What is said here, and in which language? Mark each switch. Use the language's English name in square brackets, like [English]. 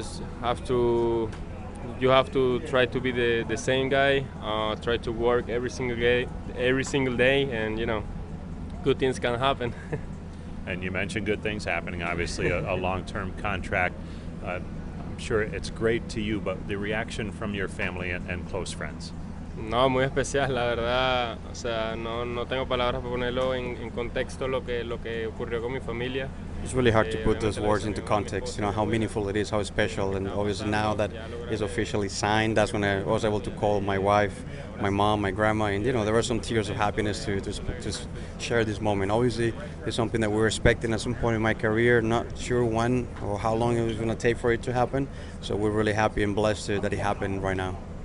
[English] Just have to, you have to try to be the same guy, try to work every single day, and, you know, good things can happen. And you mentioned good things happening, obviously, a long-term contract. Sure, it's great to you, but the reaction from your family and close friends? [Spanish] No, muy especial, la verdad. O sea, no tengo palabras para ponerlo en contexto lo que ocurrió con mi familia. [English] It's really hard to put those words into context, you know, how meaningful it is, how special, and obviously now that it's officially signed, that's when I was able to call my wife, my mom, my grandma, and, you know, there were some tears of happiness to share this moment. Obviously, it's something that we're expecting at some point in my career, not sure when or how long it was going to take for it to happen, so we're really happy and blessed that it happened right now.